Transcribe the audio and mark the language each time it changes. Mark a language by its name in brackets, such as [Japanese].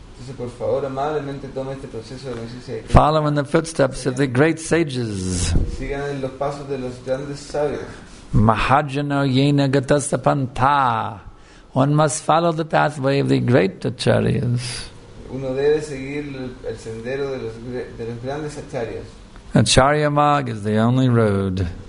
[Spanish] Entonces, por favor, amablemente tome este proceso de conciencia. [English] Follow in the footsteps of the great sages. [Spanish] Sigan en los pasos de los grandes sabios. [Sanskrit] Mahajana yena gatasya panta. [English] One must follow the pathway of the great acharyas. [Spanish] Uno debe seguir el sendero de los grandes acharyas. [English] Acharya Marg is the only road.